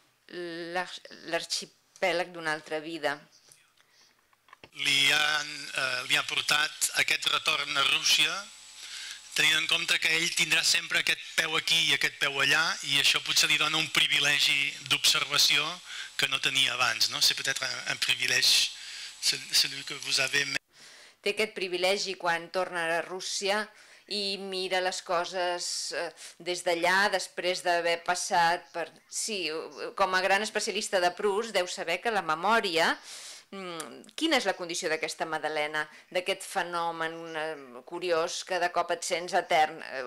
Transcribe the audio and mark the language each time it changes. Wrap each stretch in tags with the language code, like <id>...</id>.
<ca>L'arxipèlag d'una altra vida. Li ha portat aquest retorn a Rússia, tenint en compte que ell tindrà sempre aquest peu aquí i aquest peu allà, i això potser li dona un privilegi d'observació que no tenia abans, no?</ca> <fr>C'est peut-être un privilège, celui que vous avez.</fr> <ca>Té aquest privilegi quan torna a Rússia i mira les coses des d'allà, després d'haver passat per... Sí, com a gran especialista de Proust, deu saber que la memòria... Quina és la condició d'aquesta Madalena, d'aquest fenomen curiós que de cop et sents etern?</ca>